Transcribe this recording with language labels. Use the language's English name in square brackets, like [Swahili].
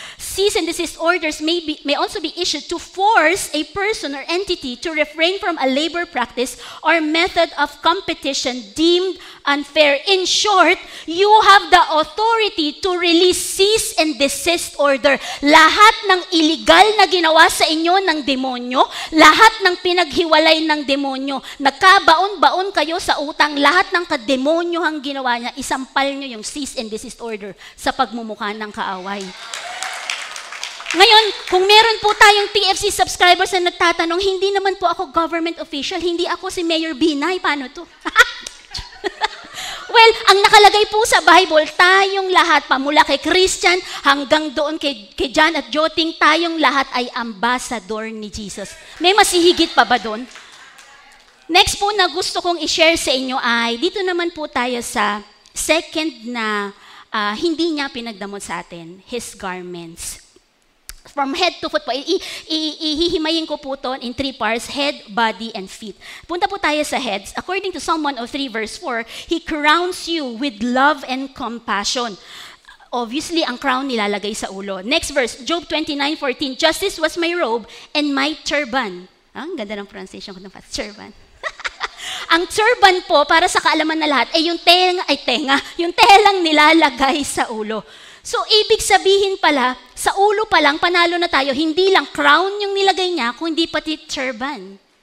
[English] Cease and desist orders may also be issued to force a person or entity to refrain from a labor practice or method of competition deemed unfair. In short, you have the authority to release cease and desist order. [Filipino] Lahat ng illegal na ginawa sa inyo ng demonyo, lahat ng pinaghiwalay ng demonyo, nagkabaon-baon kayo sa utang, lahat ng kademonyo ang ginawa niya, isampal niyo yung cease and desist order sa pagmumukha ng kaaway. Ngayon, kung meron po tayong TFC subscribers na nagtatanong, hindi naman po ako government official, hindi ako si Mayor Binay, paano to? Well, ang nakalagay po sa Bible, tayong lahat, pamula kay Christian hanggang doon kay John at Joting, tayong lahat ay ambassador ni Jesus. May masihigit pa ba doon? Next po na gusto kong i-share sa inyo ay, dito naman po tayo sa second na hindi niya pinagdamot sa atin, his garments. [English] From head to foot po, [Filipino] ihihimayin ko po ito [English] in three parts, head, body, and feet. [Filipino] Punta po tayo sa heads. [English] According to Psalm 103 verse 4, He crowns you with love and compassion. [Filipino] Obviously, ang crown nilalagay sa ulo. [English] Next verse, Job 29:14, Justice was my robe and my turban. [Filipino] Ang ganda ng pronunciation ko ng fast, turban. Ang turban po, para sa kaalaman na lahat, yung telang nilalagay sa ulo. So, ibig sabihin pala, sa ulo pa lang, panalo na tayo, hindi lang crown yung nilagay niya, kundi pati turban.